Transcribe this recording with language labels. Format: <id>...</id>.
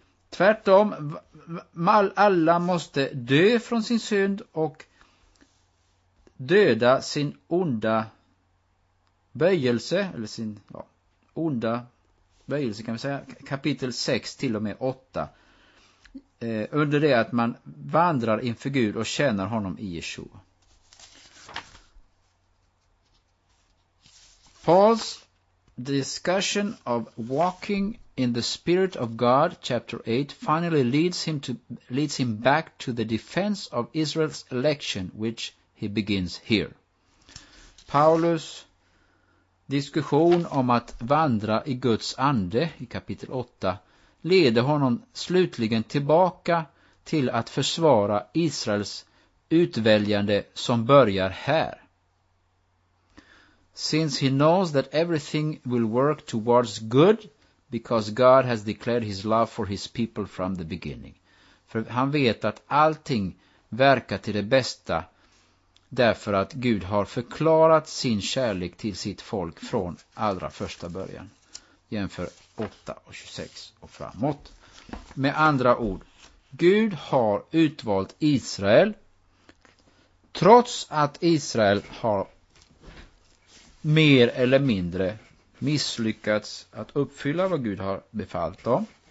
<sv>Tvärtom, alla måste dö från sin synd och döda sin onda böjelse, eller sin onda böjelse kan vi säga, kapitel 6 till och med 8. Under det att man vandrar inför Gud och tjänar honom i Yeshua.</sv> <en>Paul's discussion of walking in the spirit of God, chapter 8, finally leads him back to the defense of Israel's election, which he begins here.</en> <sv>Paulus diskussion om att vandra i Guds ande i kapitel 8 leder honom slutligen tillbaka till att försvara Israels utväljande som börjar här.</sv> <en>Since he knows that everything will work towards good, because God has declared his love for his people from the beginning.</en> <sv>För han vet att allting verkar till det bästa, därför att Gud har förklarat sin kärlek till sitt folk från allra första början. Jämför 8 och 26 och framåt. Med andra ord, Gud har utvalt Israel trots att Israel har mer eller mindre misslyckats att uppfylla vad Gud har befallt dem.</sv>